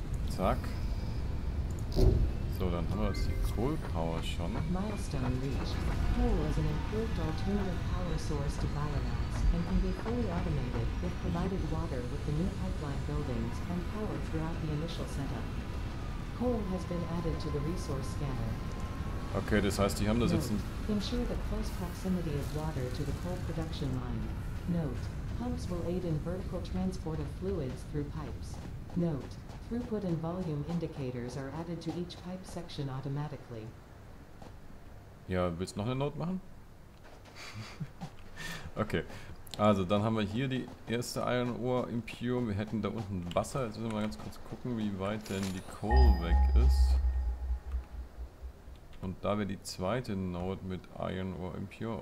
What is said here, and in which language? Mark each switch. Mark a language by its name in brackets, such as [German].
[German] Zack. So, dann haben wir jetzt die Coal Power schon. [English] Milestone reached. Coal is an improved alternative power source to biomass and can be fully automated if provided water with the new pipeline buildings and power throughout the initial setup. Coal has been added to the resource scanner. [German] Okay, das heißt, die haben da sitzen. [English] Ensure the close proximity of water to the coal production line. Note: Pumps will aid in vertical transport of fluids through pipes. Note: Throughput and volume indicators are added to each pipe section automatically. [German] Ja, willst du noch eine Note machen? Okay, also dann haben wir hier die erste Iron Ore Impure. Wir hätten da unten Wasser. Jetzt müssen wir mal ganz kurz gucken, wie weit denn die Coal weg ist. Und da wäre die zweite Note mit Iron Ore Impure.